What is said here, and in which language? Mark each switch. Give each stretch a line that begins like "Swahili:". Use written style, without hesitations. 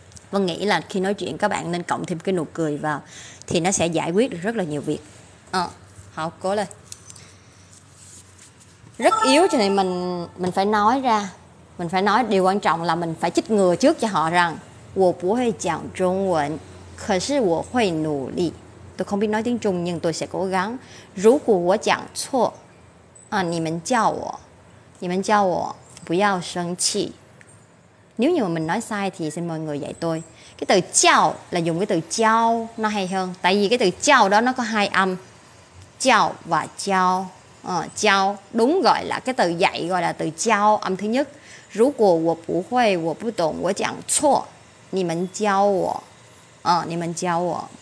Vietnamese: Vân nghĩ là khi nói chuyện các bạn nên cộng thêm cái nụ cười vào, thì nó sẽ giải quyết được rất là nhiều việc. Học cố lên. Rất yếu cho nên mình phải nói ra. Mình phải nói, điều quan trọng là mình phải chích ngừa trước cho họ rằng
Chinese: 我不会讲中文, 可是我会努力.
Vietnamese: Tôi không biết nói tiếng Trung nhưng tôi sẽ cố gắng. 如果我讲错, 你们叫我, 你们叫我, 不要生气. Nếu như mà mình nói sai thì xin mọi người dạy tôi. Cái từ 叫 là dùng cái từ 教 nó hay hơn. Tại vì cái từ 教 đó nó có hai âm, 教 và 教. Giao, đúng gọi là cái từ dạy, gọi là từ giao, âm thứ nhất. Rú của
Chinese: wo bu huay, wo bu dong, wo jiang chuo, ni men jiao wo. Ni men jiao wo.